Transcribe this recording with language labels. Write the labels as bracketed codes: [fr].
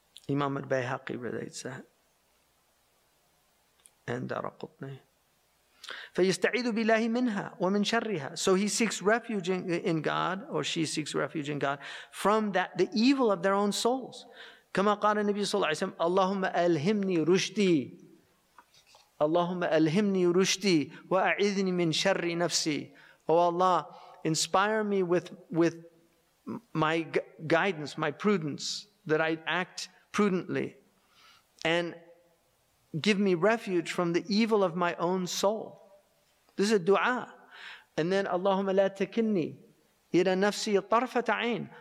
[en] Imam al-Bayhaqi relates that. [ar] And Daraqutni. فَيَسْتَعِيدُ بِاللَّهِ مِنْهَا وَمِنْ شَرِّهَا. [en] So he seeks refuge in God, or she seeks refuge in God, from that the evil of their own souls. [ar] كما قال النبي صلى الله عليه وسلم, اللهم ألهمني رشدي. اللهم ألهمني رشدي وأعذني من شر نفسي. [en] Oh Allah, inspire me with my guidance, my prudence, that I act prudently, and give me refuge from the evil of my own soul. This is a dua. And then, Allahumma la takinni ila nafsi tarfata ayn.